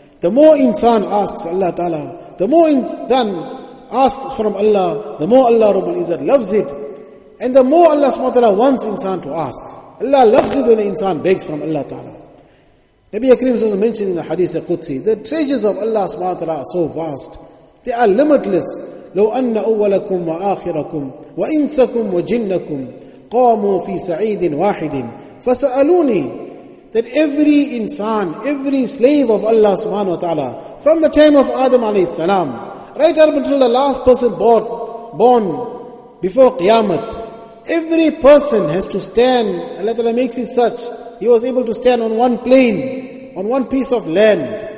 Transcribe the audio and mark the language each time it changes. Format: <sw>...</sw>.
<en>The more insan asks Allah ta'ala, the more insan asks from Allah, the more Allah Rabbul Izzat loves it. And the more Allah subhanahu wa ta'ala wants insan to ask. Allah loves it when the insan begs from Allah ta'ala. Nabi Akrim has mentioned in the Hadith al-Qudsi, the treasures of Allah subhanahu wa ta'ala are so vast. They are limitless.</en> <ar>لو أن أولكم وآخركم وإنسكم وجنكم قاموا في سعيد واحد فسألوني.</ar> <en>That every insan, every slave of Allah subhanahu wa ta'ala, from the time of Adam alayhi salam, right up until the last person born before Qiyamah, every person has to stand. Allah ta'ala makes it such, he was able to stand on one plane, on one piece of land.</en>